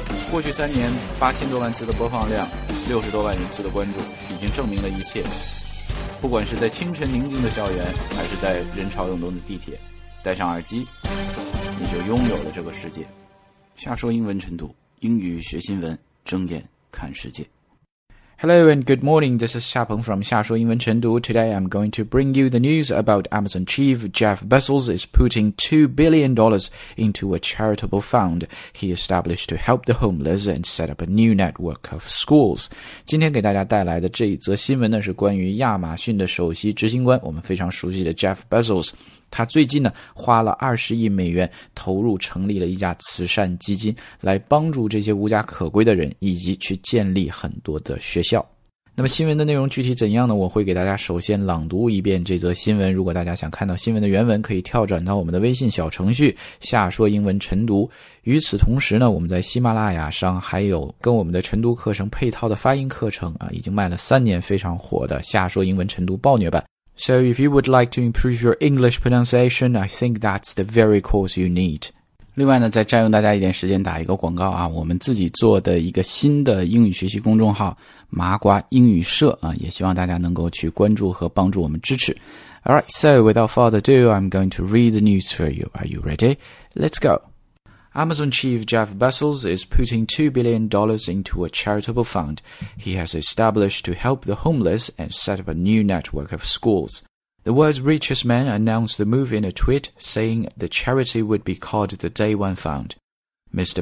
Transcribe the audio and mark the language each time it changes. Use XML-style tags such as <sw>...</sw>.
<zh>过去三年，8000多万次的播放量，60多万人次的关注，已经证明了一切。不管是在清晨宁静的校园，还是在人潮涌动的地铁，戴上耳机，你就拥有了这个世界。下说英文晨读，英语学新闻，睁眼看世界。</zh> <en>Hello and good morning, this is Xiapeng from 夏说英文晨读. Today I'm going to bring you the news about Amazon chief Jeff Bezos is putting $2 billion into a charitable fund he established to help the homeless and set up a new network of schools.</en> <zh>今天给大家带来的这一则新闻呢，是关于亚马逊的首席执行官，我们非常熟悉的 Jeff Bezos。他最近呢，花了20亿美元投入成立了一家慈善基金，来帮助这些无家可归的人，以及去建立很多的学校。那么新闻的内容具体怎样呢？我会给大家首先朗读一遍这则新闻。如果大家想看到新闻的原文，可以跳转到我们的微信小程序下说英文晨读。与此同时呢，我们在喜马拉雅上还有跟我们的晨读课程配套的发音课程啊，已经卖了3年非常火的下说英文晨读暴虐版。</zh> <en>So if you would like to improve your English pronunciation, I think that's the very course you need.</en> <zh>另外呢，再占用大家一点时间打一个广告啊，我们自己做的一个新的英语学习公众号麻瓜英语社啊，也希望大家能够去关注和帮助我们支持。</zh> <en>Alright, so without further ado, I'm going to read the news for you. Are you ready? Let's go. Amazon chief Jeff Bezos is putting $2 billion into a charitable fund he has established to help the homeless and set up a new network of schools. The world's richest man announced the move in a tweet saying the charity would be called the Day One Fund. Mr.</en>